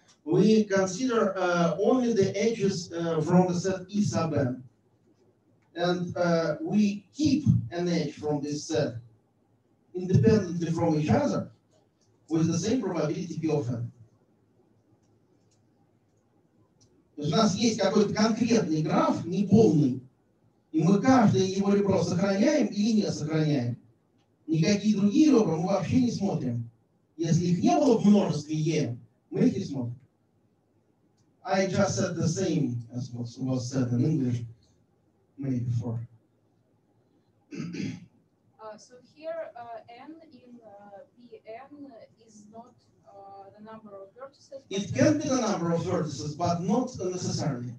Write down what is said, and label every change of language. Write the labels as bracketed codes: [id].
[en] We consider only the edges from the set E sub n. And we keep an edge from this set independently from each other with the same probability P of n. [ru] У нас есть какой-то конкретный граф, неполный, и мы каждое его ребро сохраняем или не сохраняем. Никакие другие ребра мы вообще не смотрим. Если их не было в множестве E, мы их не смотрим. [en] I just said the same as what was said in English, maybe before. So here, n in Pn is not the number of vertices. It can be the number of vertices, but not necessarily.